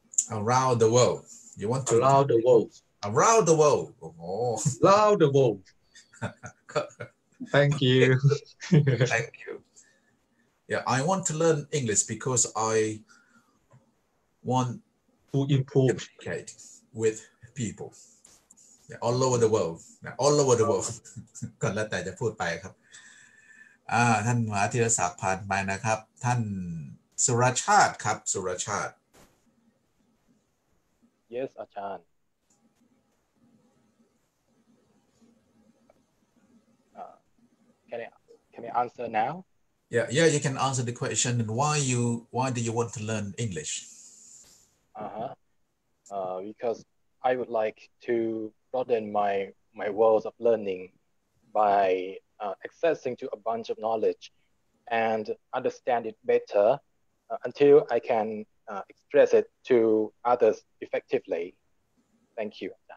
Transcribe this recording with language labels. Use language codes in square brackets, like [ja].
[en] Around the world. You want to? Around the world. Around the world. Oh. Around the world. Thank you. Thank you. Yeah, I want to learn English because I want to improve. Communicate with people yeah, all over the world yeah, all over the world [th] ก่อนแล้วแต่จะพูดไปครับท่านมาธีรศักดิ์ผ่านไปนะครับท่านสุรชาติครับสุรชาติ [en] yes อาจารย์ can I answer now yeah you can answer the question and why do you want to learn English becauseI would like to broaden my world of learning by accessing to a bunch of knowledge and understand it better until I can express it to others effectively. Thank you.